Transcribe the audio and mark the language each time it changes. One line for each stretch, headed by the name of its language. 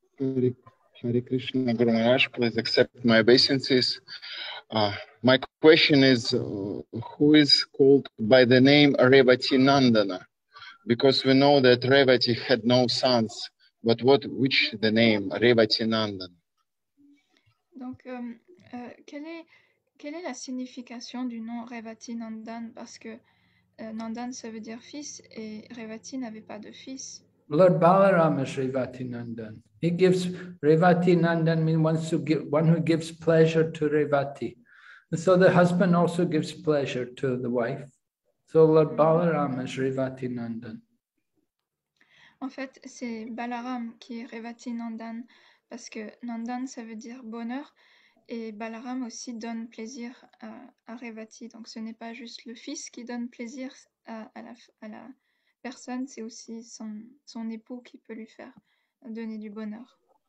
English: Hare Krishna, Guru Maharaj, please accept my obeisances. My question is, who is called by the name Revati Nandana? Because we know that Revati had no sons, but what, which the name Revati Nandana?
French: Donc, quelle est la signification du nom Revati Nandana? Parce que Nandana, ça veut dire fils, et Revati n'avait pas de fils.
English: Lord Balaram is Revati Nandan. He gives Revati Nandan, means one who gives pleasure to Revati. And so the husband also gives pleasure to the wife. So Lord Balaram is Revati Nandan.
French: En fait, c'est Balaram qui est Revati Nandan, parce que Nandan, ça veut dire bonheur, et Balaram aussi donne plaisir à Revati. Donc ce n'est pas juste le fils qui donne plaisir à la personne, c'est aussi son époux qui peut lui faire donner du bonheur.